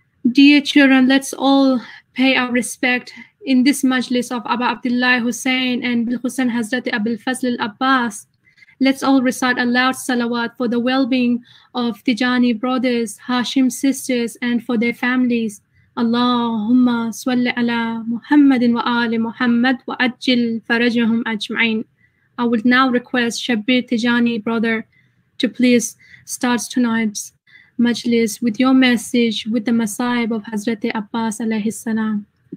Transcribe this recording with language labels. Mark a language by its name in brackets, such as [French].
[English] Dear children, let's all pay our respect in this majlis of Aba Abdullah Hussain and Bil Hussain Hazrat Abul Fazl Abbas. Let's all recite a loud salawat for the well-being of Tijani brothers, Hashim sisters and for their families. [Arabic] اللهم صل على محمد وآل محمد وأجل فرجهم أجمعين. [English] I will now request Shabir Tijani brother to please start tonight's majlis with your message with the masaib of Hazrat Abbas alayhi salam.